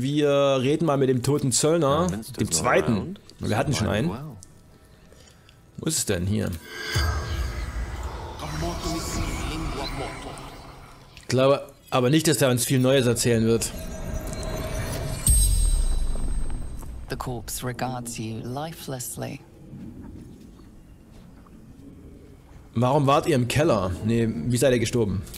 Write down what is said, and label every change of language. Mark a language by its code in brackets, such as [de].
[de] Wir reden mal mit dem toten Zöllner, dem zweiten. Wir hatten schon einen. Wo ist es denn hier? Ich glaube aber nicht, dass der uns viel Neues erzählen wird. [en] The corpse regards you lifelessly. [de] Warum wart ihr im Keller? Nee, wie seid ihr gestorben?